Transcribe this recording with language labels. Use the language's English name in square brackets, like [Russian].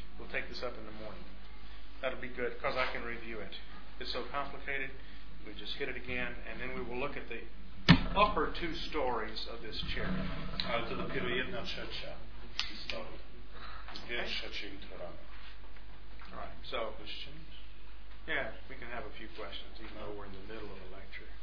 [English] Take this up in the morning. That'll be good because I can review it. It's so complicated. We just hit it again, and then we will look at the upper two stories of this chair. [Polish] Ale to dopiero jedna trzecia historii. Dwie trzecie jutro rano. [English] All right. So questions? Yeah, we can have a few questions, even though we're in the middle of a lecture.